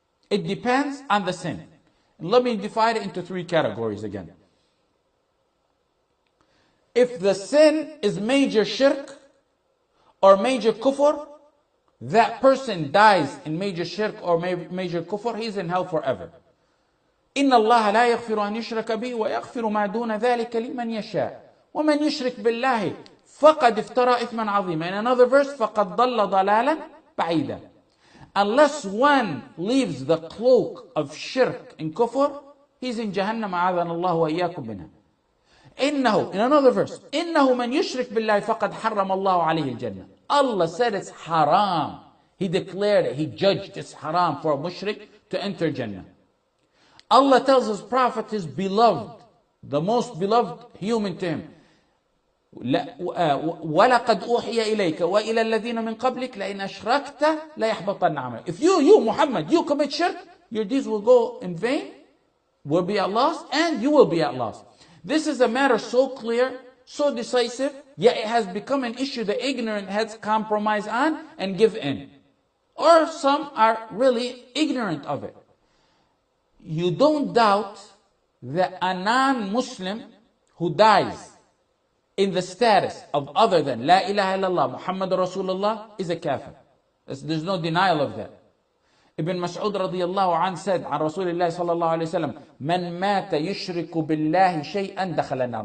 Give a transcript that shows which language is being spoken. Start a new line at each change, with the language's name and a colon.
English: It depends on the sin. Let me divide it into three categories again. If the sin is major shirk or major kufr, that person dies in major shirk or major kufr, he's in hell forever.
Arabic: إِنَّ اللَّهَ لَا يَغْفِرُ أَنْ يُشْرَكَ بِهِ وَيَغْفِرُ مَا دُونَ ذَلِكَ لِمَنْ يَشَاءُ وَمَنْ يُشْرِكْ بِاللَّهِ فَقَدْ افْتَرَى إِثْمًا عَظِيمًا.
English: In another verse,
Arabic: فَقَدْ ضَلَّ ضَلَالًا بَعِيدًا.
English: Unless one leaves the cloak of shirk and kufr, he's in Jahannam,
Arabic: أَعَذَنَ اللَّهُ وَإِيَّاكُمْ مِنْهَا. إِنَّهُ,
English: in another verse,
Arabic: إِنَّهُ مَنْ يُشْرِكْ بِاللَّهِ فَقَدْ حَرَّمَ اللَّهُ عَلَيْهِ الْجَنَّةِ.
English: Allah said it's haram. He declared it. He judged it's haram for a mushrik to enter Jannah. Allah tells His Prophet, His beloved, the most beloved human to Him,
Arabic: لا ولقد اوحي اليك والى الذين من قبلك لئن اشركت ليحبطن عملك.
English: If you Muhammad, you commit shirk, your deeds will go in vain, will be at loss, and you will be at loss. This is a matter so clear, so decisive, yet it has become an issue that ignorant heads compromise on and give in. Or some are really ignorant of it. You don't doubt that a non-Muslim who dies in the status of other than La ilaha illallah, Muhammad Rasulullah, is a kafir. There's no denial of that. Ibn Mas'ud radiyallahu anhu said,
Arabic: عن رسول الله صلى الله عليه وسلم, من مات يشرك بالله شيئا دخل النار.